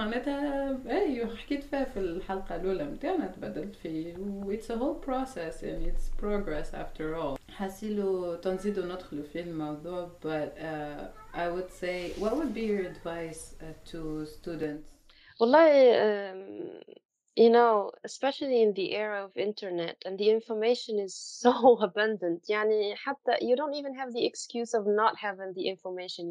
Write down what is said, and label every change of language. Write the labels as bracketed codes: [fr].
[ar] معناتها [en] hey, you [ar] حكيت فيها في الحلقة الأولى متاعنا تبدلت في. [en] It's a whole process and it's progress after all. [ar] حسيلو تنزيدو ندخلو في الموضوع. [en] But I would say, what would be your advice to students? [ar] والله, [en] you know, especially in the era of internet and the information is so abundant. [ar] يعني حتى [en] you don't even have the excuse of not having the information.